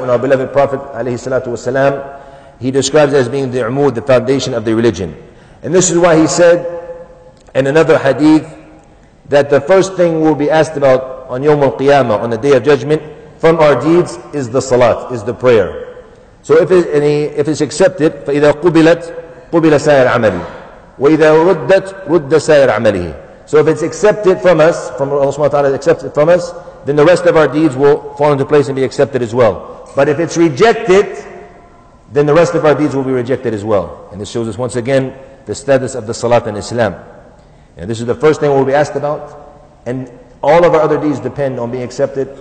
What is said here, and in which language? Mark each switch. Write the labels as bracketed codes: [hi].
[en] When our beloved Prophet alayhi salatu wasalam, he describes it as being the umud, the foundation of the religion. And this is why he said in another hadith that the first thing we'll be asked about on Yawm al-Qiyamah, on the Day of Judgment, from our deeds is the Salat, is the prayer. So if it's accepted, [ar] فَإِذَا قُبِلَتْ قُبِلَ سَائِرْ عَمَلِهِ وَإِذَا رُدَّتْ رُدَّ سَائِرْ عَمَلِهِ. [en] So if it's accepted from us, from Allah subhanahu wa ta'ala, accepted from us, then the rest of our deeds will fall into place and be accepted as well. But if it's rejected, then the rest of our deeds will be rejected as well. And this shows us once again the status of the Salat in Islam. And this is the first thing we'll be asked about. And all of our other deeds depend on being accepted.